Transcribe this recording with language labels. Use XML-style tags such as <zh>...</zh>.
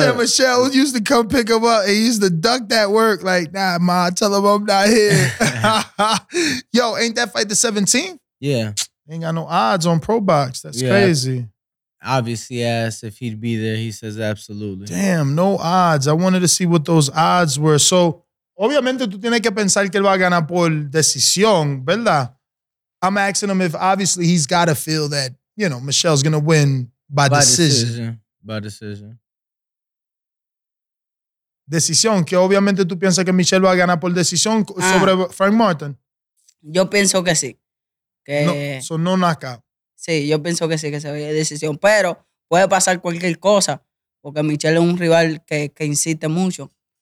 <en>He said Michelle used to come pick him up and he used to duck that work. Like, nah, ma, tell him I'm not here. Yo, ain't that fight the 17th? Yeah. Ain't got no odds on Pro Box. That's crazy. Obviously asked if he'd be there. He says absolutely. Damn, no odds. I wanted to see what those odds were.</en> <es>So, obviamente, tú tienes que pensar que él va a ganar por decisión, ¿verdad?</es> <en>I'm asking him if obviously he's got to feel that, you know, Michelle's going to win by decision.</en> <es>Decisión, que obviamente tú piensas que Michelle va a ganar por decisión sobre Frank Martin. Yo pienso que sí. Que...</es> <en>No knockout.</en> <es>Sí, yo pienso que sí, que se vaya de decisión. Pero puede pasar cualquier cosa, porque Michelle es un rival que insiste mucho.</es>